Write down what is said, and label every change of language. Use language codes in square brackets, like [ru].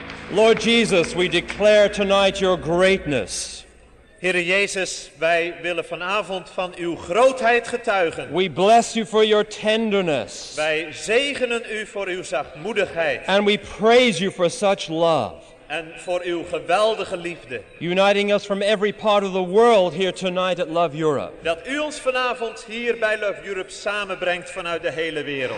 [en] Lord Jesus, we declare tonight your greatness. [nl] Heere Jezus, wij willen vanavond van uw grootheid getuigen. [en] We bless you for your tenderness. [nl] Wij zegenen u voor uw zachtmoedigheid. [en] And we praise you for such love. [nl] En voor uw geweldige liefde. [en] Uniting us from every part of the world here tonight at Love Europe. [nl] Dat u ons vanavond hier bij Love Europe samenbrengt vanuit de hele wereld.